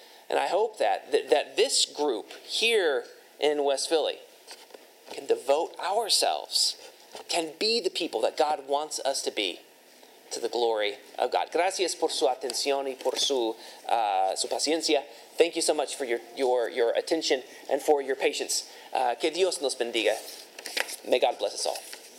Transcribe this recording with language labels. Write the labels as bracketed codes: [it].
[en] And I hope that this group here in West Philly can devote ourselves, can be the people that God wants us to be, to the glory of God. [es] Gracias por su atención y por su paciencia. [en] Thank you so much for your attention and for your patience. [es] Que Dios nos bendiga. [en] May God bless us all.